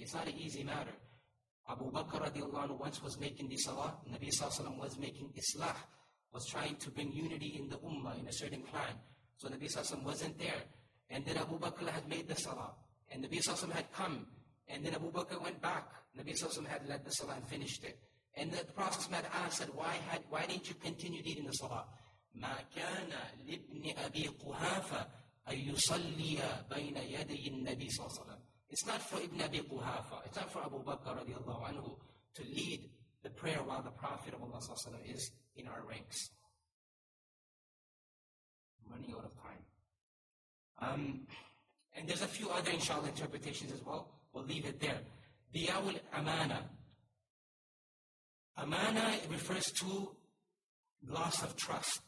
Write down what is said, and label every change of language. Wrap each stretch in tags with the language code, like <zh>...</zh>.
<en>It's not an easy matter. Abu Bakr radiallahu anhu once was making the salah, Nabi sallallahu alayhi wa sallam was making islah, was trying to bring unity in the ummah in a certain clan. So Nabi sallallahu alayhi wa sallam wasn't there. And then Abu Bakr had made the salah, and Nabi sallallahu alayhi wa sallam had come. And then Abu Bakr went back. Nabi sallallahu alayhi wa sallam had led the salah and finished it. And the Prophet had asked, why didn't you continue leading the salah?</en> <ar>مَا كَانَ لِبْنِ أَبِي قُهَافَ أَن يُصَلِّيَ بَيْنَ يَدَيِ النَّبِي صلى الله عليه وسلم.</ar> <en>It's not for Ibn Abi Quhafa. It's not for Abu Bakr radiallahu anhu to lead the prayer while the Prophet of Allah sallallahu alayhi wa sallam is in our ranks. I'm running out of time. And there's a few other inshallah interpretations as well. We'll leave it there. Diyawul Amana. Amana refers to loss of trust.</en>